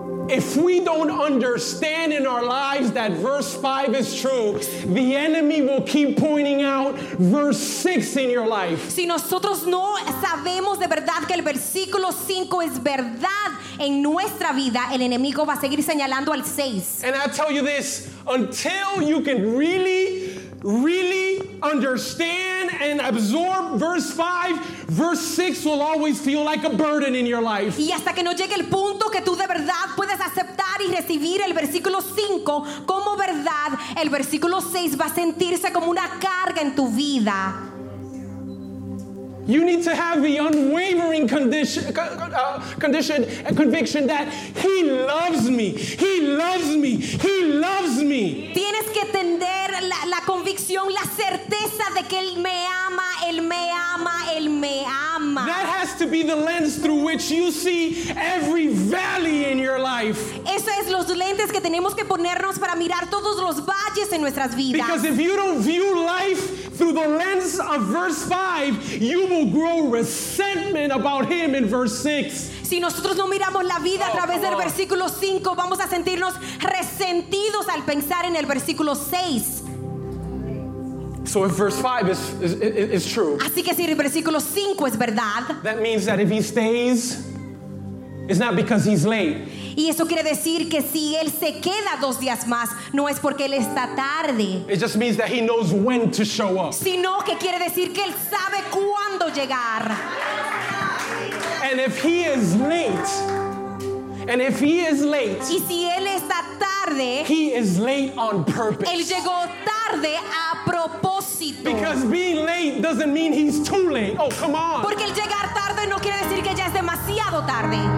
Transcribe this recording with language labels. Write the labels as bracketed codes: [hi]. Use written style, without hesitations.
[en] If we don't understand in our lives that verse 5 is true, the enemy will keep pointing out verse 6 in your life. [es] Si nosotros no sabemos de verdad que el versículo 5 es verdad en nuestra vida, el enemigo va a seguir señalando al 6. [en] And I tell you this, until you can really, really understand and absorb verse 5, verse 6 will always feel like a burden in your life. [es] Y hasta que no llegue el punto que tú de verdad puedes aceptar y recibir el versículo 5 como verdad, el versículo 6 va a sentirse como una carga en tu vida. [en] You need to have the unwavering condition and conviction that he loves me. He loves me. He loves me. [es] Tienes que tener la convicción, la certeza de que él me ama, él me ama, él me ama. [en] That has to be the lens through which you see every valley in your life. [es] Eso es los lentes que tenemos que ponernos para mirar todos los valles en nuestras vidas. [en] Because if you don't view life through the lens of verse 5, you will grow resentment about him in verse 6. [es] Si nosotros no miramos la vida a través del versículo 5, vamos a sentirnos resentidos al pensar en el versículo 6. [en] So if verse 5 is true, [es] así que si el versículo 5 es verdad, [en] that means that if he stays, it's not because he's late. [es] Y eso quiere decir que si él se queda dos días más, no es porque él está tarde. [en] It just means that he knows when to show up. [es] Sino que quiere decir que él sabe cuándo llegar. [en] And if he is late, and if he is late, [es] y si él está tarde, [en] he is late on purpose. [es] Él llegó tarde a propósito. [en] Because being late doesn't mean he's too late. Oh, come on. [es] Porque el llegar tarde no quiere decir que ya es demasiado tarde.